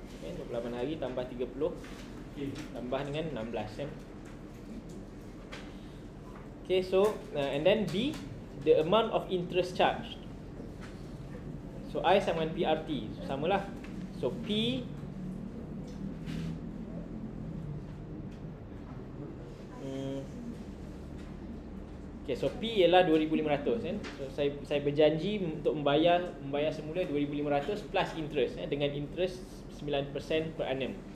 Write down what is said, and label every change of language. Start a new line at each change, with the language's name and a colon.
Malay: Okay, 28 hari tambah 30 tambah dengan 16 kan.
English: Okay, so and then B, the amount of interest charged.
Malay: So I sama dengan PRT, so samalah. So P okay, so P ialah 2500 kan. So saya berjanji untuk membayar semula 2500 plus interest kan, dengan interest 9% per annum.